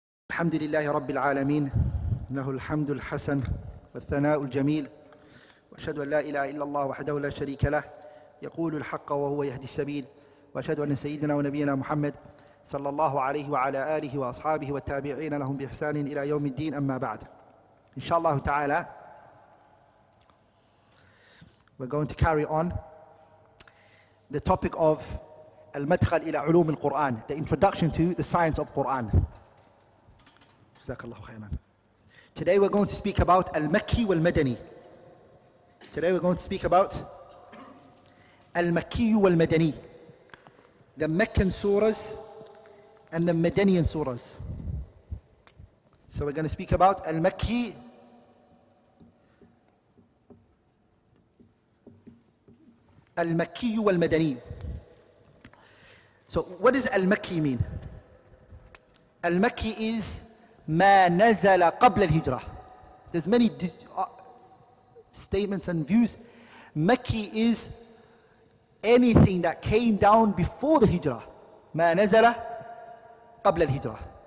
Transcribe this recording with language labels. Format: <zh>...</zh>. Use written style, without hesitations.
<ar>الحمد لله رب العالمين له الحمد الحسن والثناء الجميل وأشهد أن لا إله إلا الله وحده لا شريك له يقول الحق وهو يهدي السبيل وأشهد أن سيدنا ونبينا محمد صلى الله عليه وعلى آله وأصحابه والتابعين لهم بإحسان إلى يوم الدين أما بعد إن شاء الله تعالى</ar> <en>we're going to carry on the topic of</en> <ar>المدخل إلى علوم القرآن</ar> <en>the introduction to the science of Quran. Today we're going to speak about Al-Makki wal-Madani. Today we're going to speak about Al-Makki wal-Madani. The Meccan surahs and the Madanian surahs. So we're going to speak about Al-Makki Al-Makki wal-Madani. So what does Al-Makki mean?</en> <ar>Al-Makki is ما نزل قبل الهجرة.</ar> <en>There's many statements and views. Makki is anything that came down before the hijrah.</en> <ar>ما نزل قبل الهجرة.</ar>